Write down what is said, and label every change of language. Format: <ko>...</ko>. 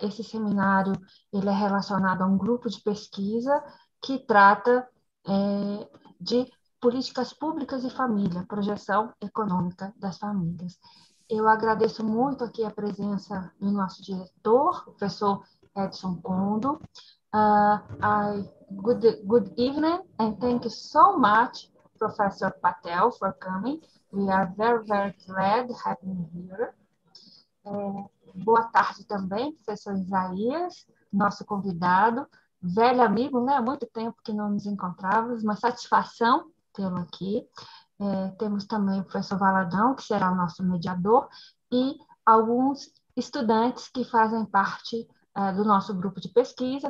<pt>Esse seminário ele é relacionado a um grupo de pesquisa que trata de políticas públicas e família, projeção econômica das famílias. Eu agradeço muito aqui a presença do nosso diretor, o professor Edson Kondo.</pt> <en>Good evening and thank you so much, Professor Patel, for coming. We are very, very glad having you here.</en> <pt>Boa tarde também, professor Isaías, nosso convidado, velho amigo, né? Há muito tempo que não nos encontrávamos, uma satisfação tê-lo aqui. Temos também o professor Valadão, que será o nosso mediador, e alguns estudantes que fazem parte do nosso grupo de pesquisa.</pt>